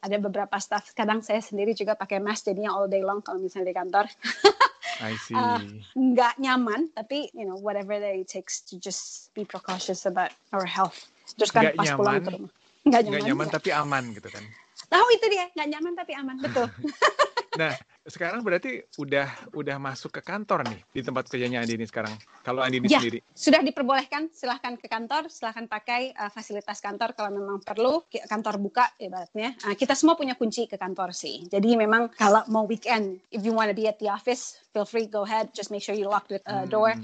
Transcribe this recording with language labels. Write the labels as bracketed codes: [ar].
[id] Ada beberapa staff, kadang saya sendiri juga pakai mask jadinya [en] all day long [id] kalau misalnya di kantor. [en] I see. [id] Nggak nyaman, tapi [en] you know whatever that it takes to just be precautious about our health. [id] Terus kan pas pulang ke rumah Nggak nyaman tapi aman gitu kan. Tahu itu dia, nggak nyaman tapi aman, betul. Nah, sekarang berarti udah masuk ke kantor nih di tempat kerjanya Andini sekarang. Kalau Andini ya, sendiri sudah diperbolehkan, silahkan ke kantor, silahkan pakai fasilitas kantor kalau memang perlu. Kantor buka ibaratnya, kita semua punya kunci ke kantor sih. Jadi memang kalau mau weekend, [en] if you wanna be at the office, feel free, go ahead, just make sure you lock the door.